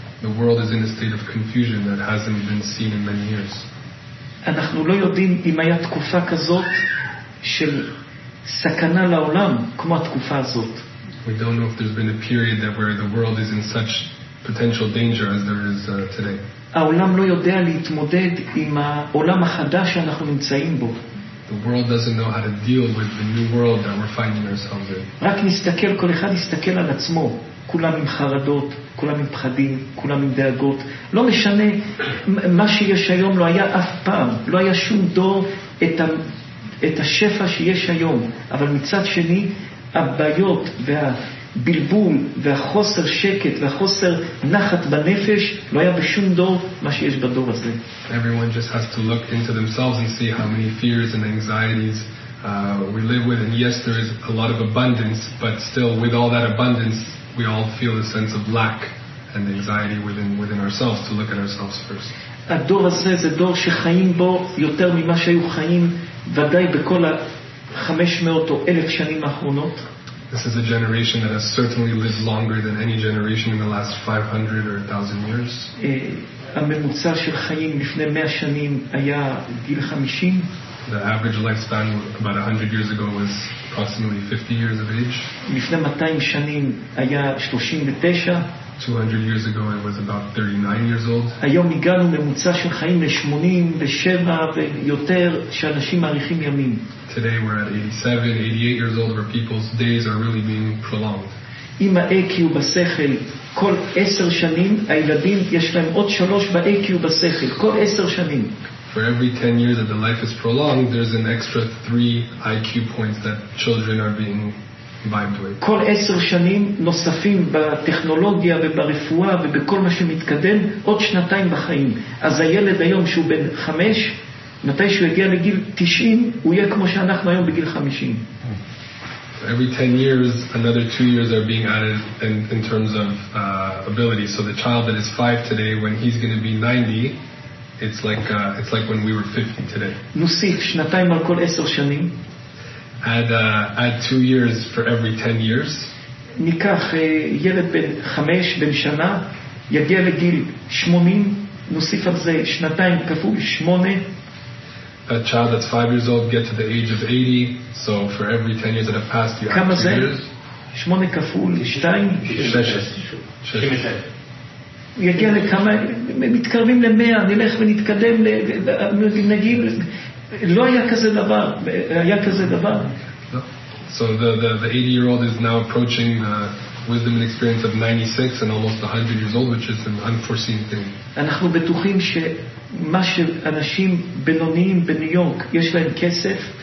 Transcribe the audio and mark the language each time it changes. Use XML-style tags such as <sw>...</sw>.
<en>The world is in a state of confusion that hasn't been seen in many years.</en> <he>אנחנו לא יודעים אם היה תקופה כזאת של סכנה לעולם כמו התקופה הזאת.</he> <en>We don't know if there's been a period that where the world is in such potential danger as there is today.</en> <he>העולם לא יודע להתמודד עם העולם החדש שאנחנו נמצאים בו.</he> <en>The world doesn't know how to deal with the new world that we're finding ourselves in.</en> <he>רק נסתכל, כל אחד יסתכל על עצמו. כולם עם חרדות, כולם עם פחדים, כולם עם דאגות. לא משנה מה שיש היום, לא היה אף פעם, לא היה שום דור את השפע שיש היום. אבל מצד שני, הבעיות והבלבול והחוסר שקט והחוסר נחת בנפש לא היה בשום דור מה שיש בדור הזה.</he> <en>Everyone just has to look into themselves and see how many fears and anxieties we live with. And yes, there is a lot of abundance, but still with all that abundance we all feel a sense of lack and anxiety within ourselves to look at ourselves first.</en> <he>הדור הזה זה דור שחיים בו יותר ממה שהיו חיים ודאי בכל 500 או 1000 שנים האחרונות.</he> <en>This is a generation that has certainly lived longer than any generation in the last 500 or 1000 years.</en> <he>הממוצע של חיים לפני 100 שנים היה גיל 50.</he> <en>The average lifespan about 100 years ago was approximately 50 years of age.</en> <he>לפני 200 שנים היה 39.</he> <en>200 years ago it was about 39 years old.</en> <he>היום הגענו ממוצע של חיים ל-87 ויותר שאנשים מאריכים ימים.</he> <en>Today we're at 87, 88 years old where people's days are really being prolonged.</en> <he>אם ה-AQ בשכל כל 10 שנים, הילדים יש להם עוד 3 ב-AQ בשכל, כל 10 שנים.</he> <en>For every 10 years that the life is prolonged, there's an extra 3 IQ points that children are being vibed with.</en> <he>כל 10 שנים נוספים בטכנולוגיה וברפואה ובכל מה שמתקדם, עוד שנתיים בחיים. אז הילד היום שהוא בן 5, מתי שהוא יגיע לגיל 90, הוא יהיה כמו שאנחנו היום בגיל 50.</he> <en>Every 10 years, another 2 years are being added in terms of ability. So the child that is 5 today, when he's going to be 90, it's like when we were 50 today.</en> <he>נוסיף שנתיים על כל 10 שנים.</he> <en>Add 2 years for every 10 years.</en> <he>ניקח ילד בן 5 בן שנה יגיע לגיל 80 נוסיף על זה שנתיים כפול 8.</he> <en>A child that's 5 years old get to the age of 80, so for every 10 years that have passed you have 2 years.</en> <he>8 כפול 2 66 יגיע לכמה מתקרבים ל-100 נלך ונתקדם נגיד לא היה כזה דבר היה כזה דבר.</he> <en>So the 80 year old is now approaching wisdom and experience of 96 and almost 100 years old, which is an unforeseen thing.</en> <he>אנחנו בטוחים שמה שאנשים בינוניים בניו יורק יש להם כסף.</he>